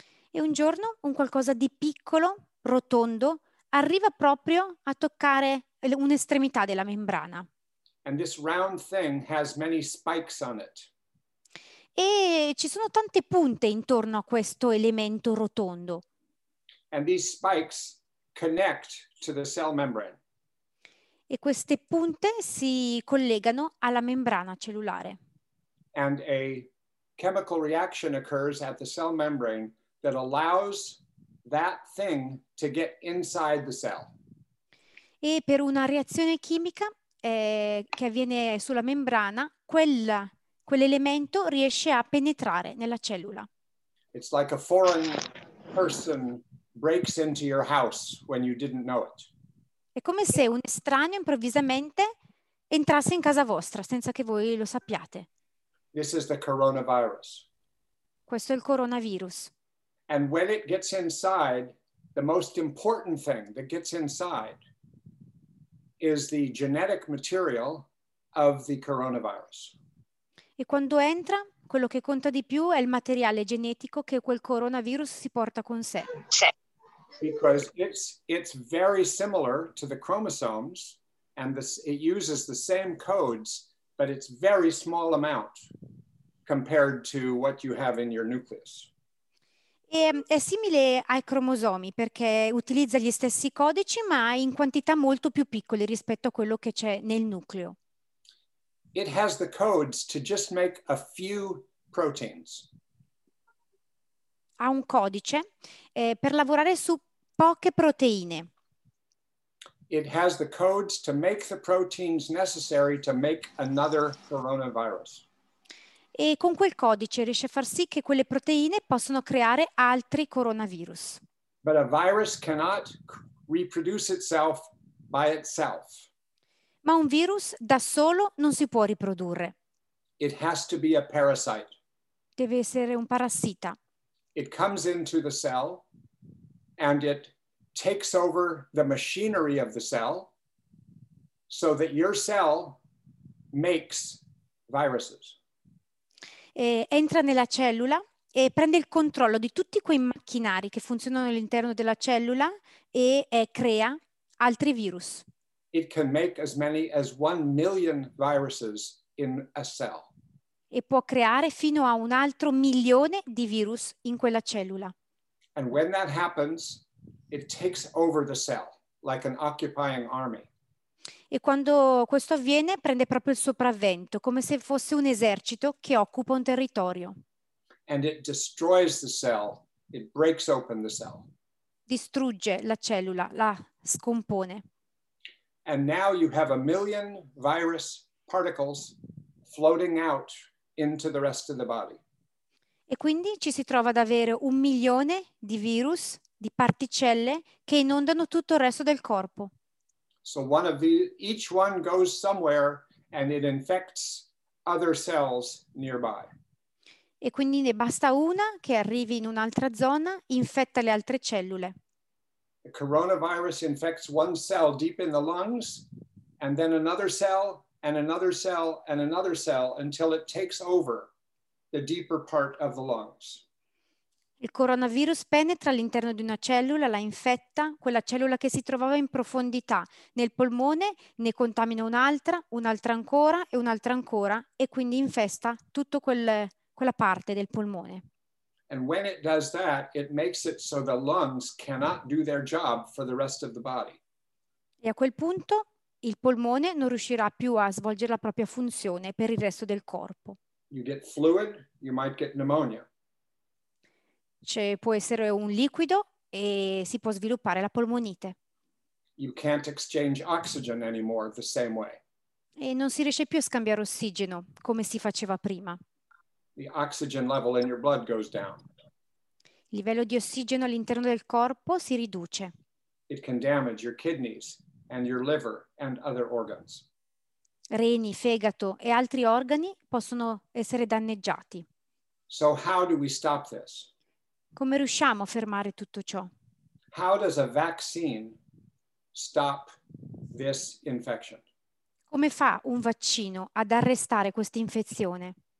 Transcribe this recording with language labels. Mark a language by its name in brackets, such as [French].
[Italian] E un giorno un qualcosa di piccolo, rotondo, arriva proprio a toccare un'estremità della membrana. [English] And this round thing has many spikes on it. [Italian] E ci sono tante punte intorno a questo elemento rotondo. [English] And these spikes connect to the cell membrane. [Italian] E queste punte si collegano alla membrana cellulare. [English] And a chemical reaction occurs at the cell membrane that allows that thing to get inside the cell. [Italian] E per una reazione chimica che avviene sulla membrana, quell'elemento riesce a penetrare nella cellula. [English] It's like a foreign person breaks into your house when you didn't know it. [Italian] È come se un estraneo improvvisamente entrasse in casa vostra senza che voi lo sappiate. [English] This is the coronavirus. [Italian] Questo è il coronavirus. [English] And when it gets inside, the most important thing that gets inside is the genetic material of the coronavirus. [Italian] E quando entra, quello che conta di più è il materiale genetico che quel coronavirus si porta con sé. [English] Because it's very similar to the chromosomes, and this, it uses the same codes, but it's very small amount compared to what you have in your nucleus. [Italian] È simile ai cromosomi perché utilizza gli stessi codici, ma in quantità molto più piccole rispetto a quello che c'è nel nucleo. [English] It has the codes to just make a few proteins. [Italian] Ha un codice per lavorare su poche proteine. [English] It has the codes to make the proteins necessary to make another coronavirus. [Italian] E con quel codice riesce a far sì che quelle proteine possano creare altri coronavirus. [English] But a virus cannot reproduce itself by itself. [Italian] Ma un virus da solo non si può riprodurre. [English] It has to be a parasite. [Italian] Deve essere un parassita. [English] It comes into the cell and it takes over the machinery of the cell so that your cell makes viruses. [Italian] Entra nella cellula e prende il controllo di tutti quei macchinari che funzionano all'interno della cellula e crea altri virus. [English] It can make as many as 1 million viruses in a cell. [Italian] E può creare fino a un altro milione di virus in quella cellula. [English] And when that happens, it takes over the cell like an occupying army. [Italian] E quando questo avviene, prende proprio il sopravvento, come se fosse un esercito che occupa un territorio. [English] And it destroys the cell. It breaks open the cell. [Italian] Distrugge la cellula, la scompone. [English] And now you have a million virus particles floating out into the rest of the body. [Italian] E quindi ci si trova ad avere un milione di virus, di particelle, che inondano tutto il resto del corpo. [English] So one of the, each one goes somewhere and it infects other cells nearby. [Italian] E quindi ne basta una che arrivi in un'altra zona, infetta le altre cellule. [English] The coronavirus infects one cell deep in the lungs, and then another cell, and another cell, and another cell, until it takes over the deeper part of the lungs. [Italian] Il coronavirus penetra all'interno di una cellula, la infetta, quella cellula che si trovava in profondità nel polmone, ne contamina un'altra ancora e un'altra ancora, e quindi infesta tutto quella parte del polmone. [English] And when it does that, it makes it so the lungs cannot do their job for the rest of the body. [Italian] E a quel punto il polmone non riuscirà più a svolgere la propria funzione per il resto del corpo. [English] You get fluid, you might get pneumonia. [Italian] Cioè, può essere un liquido e si può sviluppare la polmonite. [English] You can't exchange oxygen anymore the same way. [Italian] E non si riesce più a scambiare ossigeno come si faceva prima. [English] The oxygen level in your blood goes down. [Italian] Il livello di ossigeno all'interno del corpo si riduce. [English] It can damage your kidneys and your liver and other organs. [Italian] Reni, fegato e altri organi possono essere danneggiati. [English] So how do we stop this? [Italian] Come riusciamo a fermare tutto ciò? [English] How does a vaccine stop this infection? [Italian] Come fa un vaccino ad arrestare questa infezione?